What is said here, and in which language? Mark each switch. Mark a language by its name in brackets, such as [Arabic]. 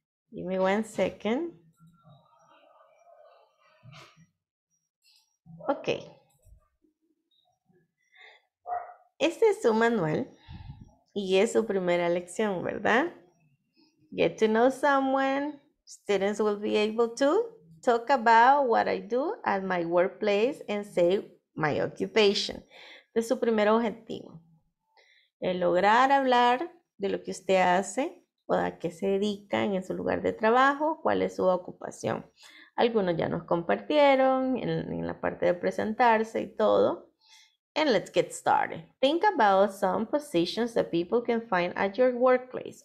[English] Give me one second. Okay. [Spanish] Este es su manual y es su primera lección, ¿verdad? [English] Get to know someone. Students will be able to talk about what I do at my workplace and say my occupation. [Spanish] Este es su primer objetivo. El lograr hablar de lo que usted hace o a qué se dedican en su lugar de trabajo, cuál es su ocupación. Algunos ya nos compartieron en la parte de presentarse y todo. [English] And let's get started. Think about some positions that people can find at your workplace.